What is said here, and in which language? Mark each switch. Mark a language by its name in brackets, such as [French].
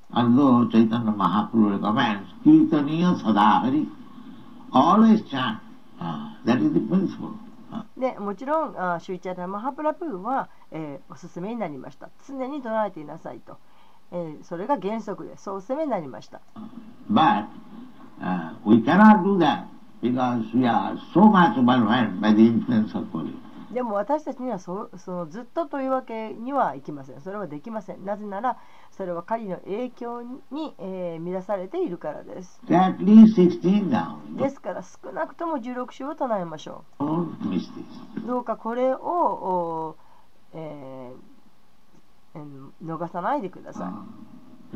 [English] Although Chaitanya Mahaprabhu recommends [Sanskrit] Kirtaniya Sadahari [English] Always chant That is the principle. [Japanese] でもちろんシュイチャラマハプラプーは、おすすめになりました。常に唱えていなさいと、それが原則でそうおすすめになりました。 [English] But we cannot do that because we are so much overwhelmed by the influence of Kali. [Japanese] でも私たちにはそのずっとというわけにはいきません。それはできません。なぜならそれはカリの影響に、乱されているからです。 [English] At least 16 now. [Japanese] ですから少なくとも16種を唱えましょう。 [English] Don't miss this. [Japanese] どうかこれを逃さないでください。